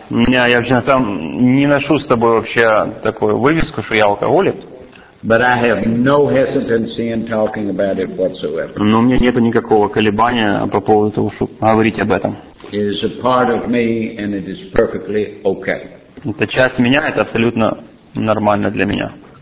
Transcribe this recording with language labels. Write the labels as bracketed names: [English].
[Russian] Не, я вообще сам не ношу с собой вообще такую вывеску, что я алкоголик. [English] But I have no hesitancy in talking about it whatsoever. [Russian] Но у меня нету никакого колебания по поводу того, чтобы говорить об этом. [English] It is a part of me, and it is perfectly okay. [Russian] Это часть меня, это абсолютно нормально для меня.